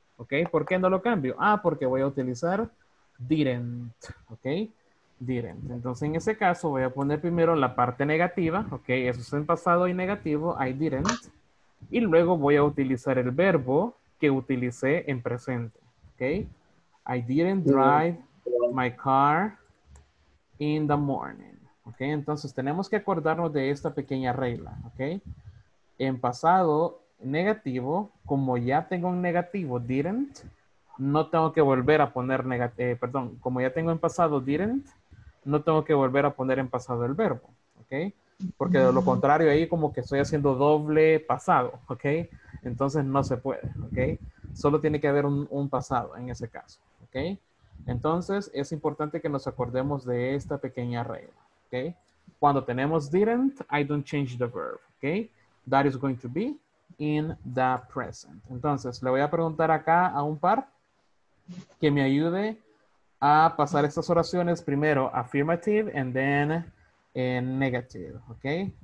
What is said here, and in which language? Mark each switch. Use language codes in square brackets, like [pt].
[es] ¿Ok? ¿Por qué no lo cambio? Ah, porque voy a utilizar didn't. ¿Ok? Didn't. Entonces, en ese caso, voy a poner primero la parte negativa. ¿Ok? Eso es en pasado y negativo. [en] I didn't. [es] Y luego voy a utilizar el verbo que utilicé en presente. ¿Ok? [en] I didn't drive my car in the morning. [es] Ok, entonces tenemos que acordarnos de esta pequeña regla. Ok, en pasado negativo, como ya tengo un negativo didn't, no tengo que volver a poner como ya tengo en pasado didn't, no tengo que volver a poner en pasado el verbo. Ok, porque de lo contrario ahí como que estoy haciendo doble pasado. Ok, entonces no se puede. Ok, solo tiene que haber un pasado en ese caso. Ok. Entonces, es importante que nos acordemos de esta pequeña regla, ¿ok? Cuando tenemos [en] didn't, I don't change the verb, ¿ok? That is going to be in the present. [es] Entonces, le voy a preguntar acá a un par que me ayude a pasar estas oraciones primero [en] affirmative and then negative, [es] ¿ok?